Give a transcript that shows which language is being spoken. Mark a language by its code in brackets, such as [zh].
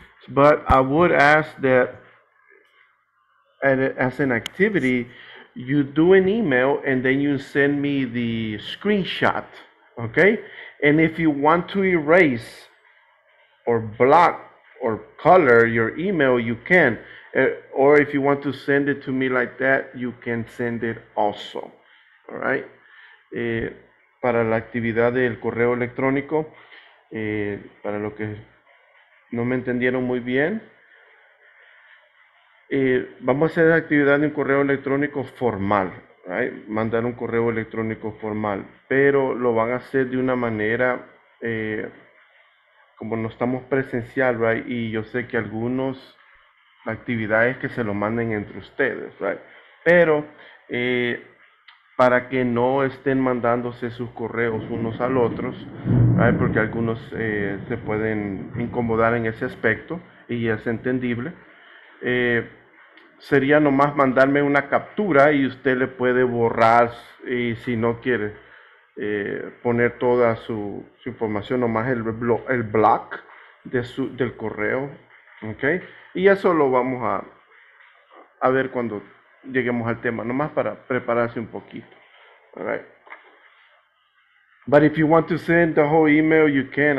[en] But I would ask that as an activity, you do an email and then you send me the screenshot, okay? And if you want to erase or block or color your email, you can. Or if you want to send it to me like that, you can send it also, all right? [es] Para la actividad del correo electrónico, para lo que no me entendieron muy bien, vamos a hacer la actividad de un correo electrónico formal, right? Mandar un correo electrónico formal, pero lo van a hacer de una manera, como no estamos presencial, right? Y yo sé que algunos, la actividad es que se lo manden entre ustedes, right? Pero, para que no estén mandándose sus correos unos al otros, ¿vale? Porque algunos se pueden incomodar en ese aspecto y es entendible. Sería nomás mandarme una captura y usted le puede borrar y si no quiere poner toda su información, nomás el block del correo, ¿okay? Y eso lo vamos a ver cuando lleguemos al tema, nomás para prepararse un poquito. [en] All right. But if you want to send the whole email, you can.